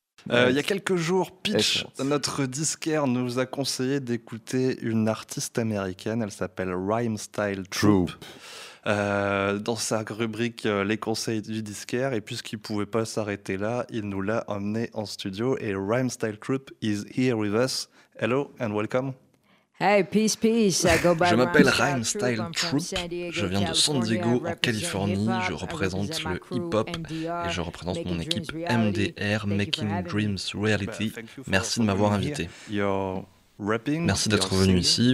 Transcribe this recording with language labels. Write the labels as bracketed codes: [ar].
[fr] Il y a quelques jours, Peach, notre disquaire, nous a conseillé d'écouter une artiste américaine. Elle s'appelle Rhyme Style Troupe. Dans sa rubrique Les conseils du disquaire. Et puisqu'il ne pouvait pas s'arrêter là, il nous l'a emmené en studio. [en] Et Rhyme Style Troupe is here with us. Hello and welcome. Hey, peace, peace. I go by [fr] je m'appelle Rhyme Style Troupe. Je viens de San Diego, en Californie. Je représente le hip-hop et je représente mon équipe MDR, Making Dreams Reality. Merci de m'avoir invité. [en] Rapping, [fr] merci d'être venu ici.